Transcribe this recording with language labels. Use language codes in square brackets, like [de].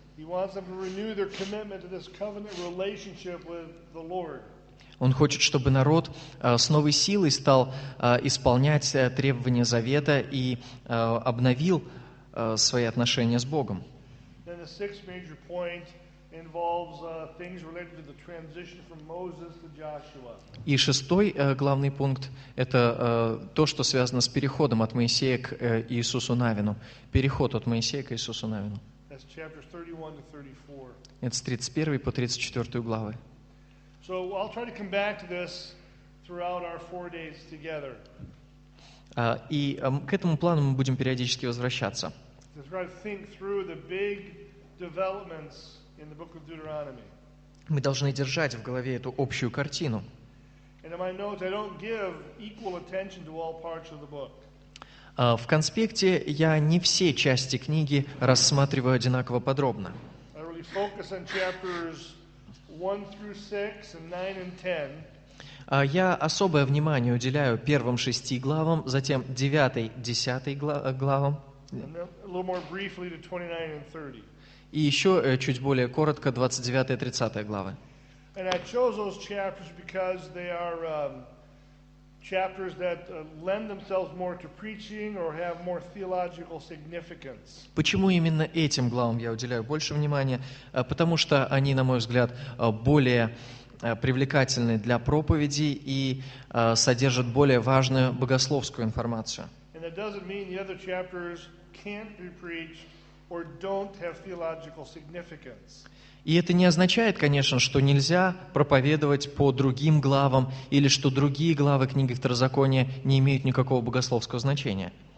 [en] He wants them to renew their commitment to this covenant relationship with the Lord. [ru] Он хочет, чтобы народ с новой силой стал исполнять требования завета и обновил свои отношения с Богом. [en] Then the sixth major point involves things related to the transition from Moses to Joshua. [ru] И шестой главный пункт — это то, что связано с переходом от Моисея к Иисусу Навину. Переход от Моисея к Иисусу Навину. [en] That's chapters 31 to 34. [ru] Это с 31 по 34 главы. [en] So I'll try to come back to this throughout our 4 days together. [ru] И к этому плану мы будем периодически возвращаться. [en] To try to think through the big developments in the book of Deuteronomy. [ru] Мы должны держать в голове эту общую картину. [en] And in my notes, I don't give equal attention to all parts of the book. [ru] В конспекте я не все части книги рассматриваю одинаково подробно. [en] I really focus on chapters 1 through 6 and 9 and 10. [ru] Я особое внимание уделяю первым 6 главам, затем 9-10 главам. [en] And then a little more briefly to 29 and 30. [ru] И еще чуть более коротко 29-30 главы. [en] And I chose those chapters because they are chapters that lend themselves more to preaching or have more theological significance. [ru] Почему именно этим главам я уделяю больше внимания? Потому что они, на мой взгляд, более привлекательны для проповеди и содержат более важную богословскую информацию. [en] And that doesn't mean the other chapters can't be preached or don't have theological significance. [ru] И это не означает, конечно, что нельзя проповедовать по другим главам или что другие главы книги Второзакония не имеют никакого богословского значения.